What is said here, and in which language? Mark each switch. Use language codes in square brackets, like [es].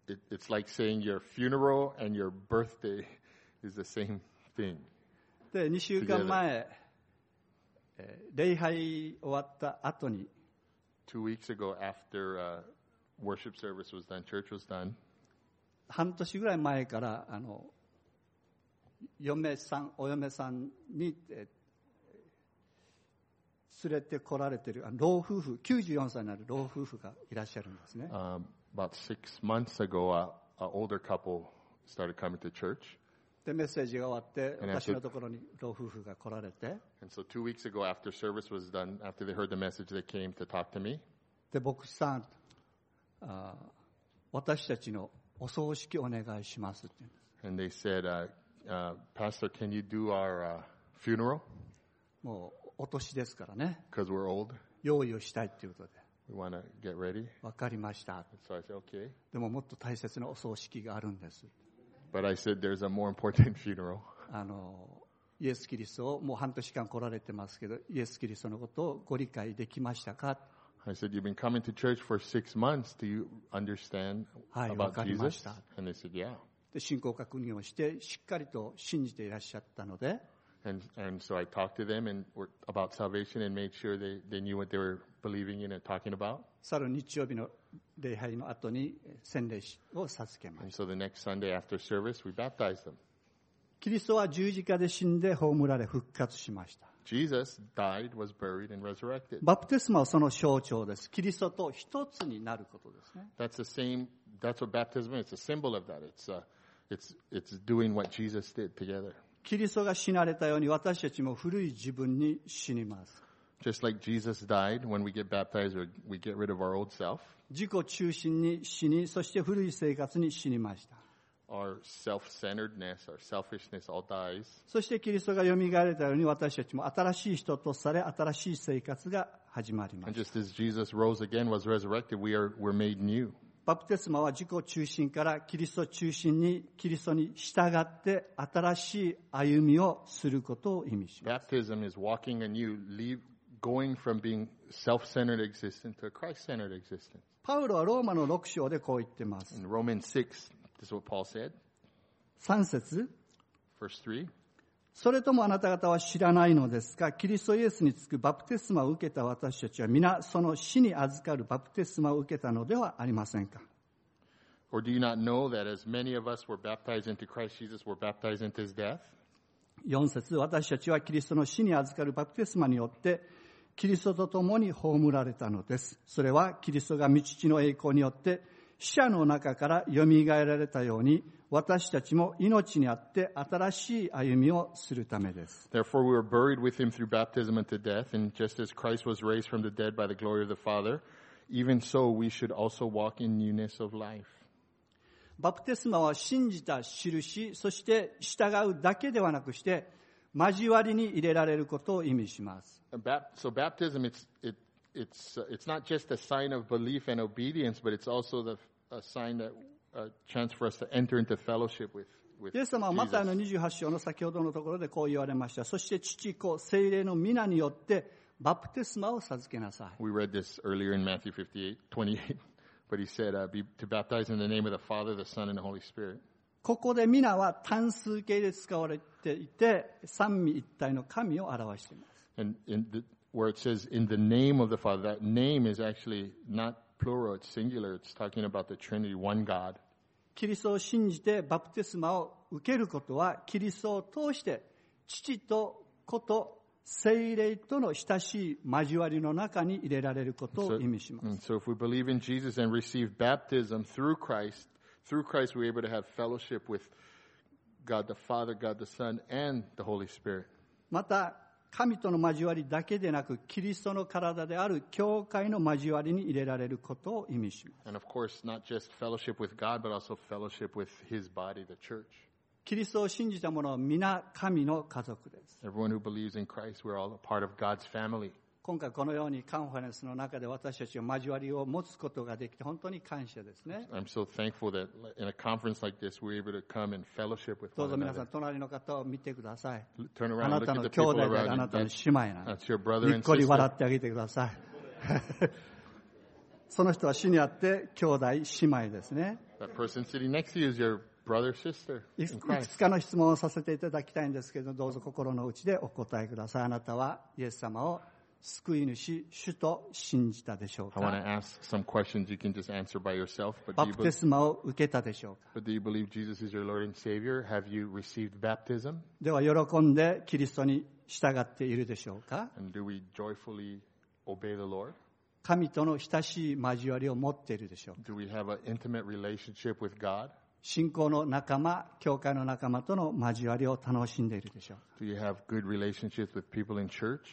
[en] It's like saying your funeral and your birthday is the same thing. [ja] で、2週間前、礼拝終わった後に、 [en] Two weeks ago, after worship service was done, church was done. [ja] 半年ぐらい前から嫁さん、お嫁さんに連れて来られている老夫婦、94歳になる老夫婦がいらっしゃるんですね。 [en] About 6 months ago, an older couple started coming to church. [ja] で、メッセージが終わって、私のところに老夫婦が来られて。 [en] And so 2 weeks ago, after service was done, after they heard the message, they came to talk to me. [ja] で、牧師さん、私たちのお葬式お願いしますって言うんです。 [en] And they said, Pastor, can you do our funeral? [ja] もうお年ですからね。 [en] Because we're old. [ja] 用意をしたいっていうことで。 [en] We want to get ready. [ja] わかりました。 [en] So I said, okay. [ja] でももっと大切なお葬式があるんです。 [en] But I said, there's a more important funeral. [ja] イエス・キリストをもう半年間来られてますけど、イエス・キリストのことをご理解できましたか？ [en] I said, you've been coming to church for six months. Do you understand about Jesus? And they said, yeah. [ja] で、信仰確認をして、しっかりと信じていらっしゃったので、 [en] And so I talked to them and about salvation and made sure they knew what they were believing in and talking about. [ja] 去る日曜日の礼拝の後に洗礼を授けました。 [en] And so the next Sunday after service, we baptized them. [ja] キリストは十字架で死んで葬られ復活しました。 [en] Jesus died, was buried, and resurrected. [ja] バプテスマはその象徴です。キリストと一つになることですね。 [en] That's the same. That's what baptism is. It's a symbol of that. It's doing what Jesus did together. [ja] キリストが死なれたように私たちも古い自分に死にます。 [en] Just like Jesus died, when we get baptized, we get rid of our old self. [ja] 自己中心に死に、そして古い生活に死にました。 [en] Our self-centeredness, our selfishness all dies. [ja] そしてキリストが蘇られたように私たちも新しい人とされ、新しい生活が始まります。 [en] And just as Jesus rose again, was resurrected, we're made new. [ja] バプテスマは自己中心からキリスト中心にキリストに従って新しい歩みをすることを意味します。 [en] Baptism is walking a new, going from being self-centered existence to a Christ-centered existence. [ja] パウロはローマの6章でこう言ってます。 [en] In Romans 6, this is what Paul said. [ja] 3節。 [en] Verse 3. [ja] それともあなた方は知らないのですか？キリストイエスにつくバプテスマを受けた私たちは皆その死に預かるバプテスマを受けたのではありませんか？ [en] Or do you not know that as many of us were baptized into Christ Jesus, were baptized into his death? [ja] 4節、私たちはキリストの死に預かるバプテスマによってキリストと共に葬られたのです。それはキリストが御父の栄光によって死者の中から蘇られたように私たちも命にあって新しい歩みをするためです。 [en] Therefore, we were buried with him through baptism into death, and just as Christ was raised from the dead by the glory of the Father, even so we should also walk in newness of life. [ja] バプテスマは信じた印、そして従うだけではなくして交わりに入れられることを意味します。 [en] So baptism, it's not just a sign of belief and obedience, but it's also a sign that. A chance for us to enter into fellowship with [ja] Jesus. イエス様はマタイの28章の先ほどのところでこう言われました。そして父、子、聖霊の皆によってバプテスマを授けなさい。 [en] We read this earlier in Matthew 28:28, but he said, to baptize in the name of the Father, the Son, and the Holy Spirit. [ja] ここで皆は単数形で使われていて、三位一体の神を表しています。 [en] And where it says in the name of the Father, that name is actually not. Plural, it's singular. It's talking about the Trinity, one God. [ja] キリストを信じてバプテスマを受けることはキリストを通して父と子と聖霊との親しい交わりの中に入れられることを意味します。 [en] So if we believe in Jesus and receive baptism through Christ we're able to have fellowship with God the Father, God the Son, and the Holy Spirit. [ja] また神との交わりだけでなく、キリストの体である教会の交わりに入れられることを意味します。 [en] And of course, not just fellowship with God, but also fellowship with His body, the church. [ja] キリストを信じた者は皆神の家族です。 [en] Everyone who believes in Christ, we're all a part of God's family. [ja] 今回このようにカンファレンスの中で私たちは交わりを持つことができて本当に感謝ですね。 [en] I'm so thankful that in a conference like this, we're able to come and fellowship with one another. [ja] どうぞ皆さん、隣の方を見てください。 [en] Turn around, [ja] あなたの兄弟であなたの姉妹な [en] の。That's your brother and sister. [ja] にっこり笑ってあげてください。その人は死にあって兄弟、姉妹ですね。 [en] That person sitting next to you is your brother, sister. [ja] いくつかの質問をさせていただきたいんですけど、どうぞ心の内でお答えください。あなたはイエス様を救い主、主と信じたでしょうか。 [en] I want to ask some questions you can just answer by yourself. [ja] バプテスマを受けたでしょうか。 [en] But do you believe Jesus is your Lord and Savior? Have you received baptism? [ja] では喜んでキリストに従っているでしょうか。 [en] And do we joyfully obey the Lord? [ja] 神との親しい交わりを持っているでしょうか。 [en] Do we have an intimate relationship with God? [ja] 信仰の仲間、教会の仲間との交わりを楽しんでいるでしょう。 [en] Do you have good relationships with people in church?